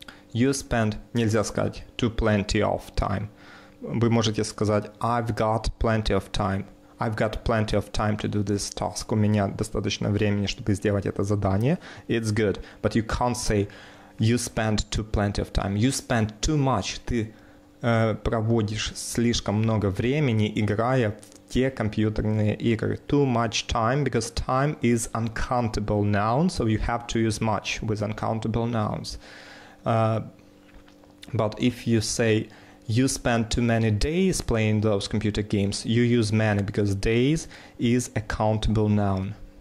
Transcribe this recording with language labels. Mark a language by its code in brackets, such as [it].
[en] You spend, [ru] нельзя сказать [en] too plenty of time. [ru] Вы можете сказать [en] I've got plenty of time. I've got plenty of time to do this task. [ru] У меня достаточно времени, чтобы сделать это задание. [en] It's good. But you can't say you spend too plenty of time. You spend too much. [ru] Ты проводишь слишком много времени, играя в те компьютерные игры. [en] Too much time, because time is uncountable noun, so you have to use much with uncountable nouns. But if you say you spend too many days playing those computer games, you use many because days is a countable noun.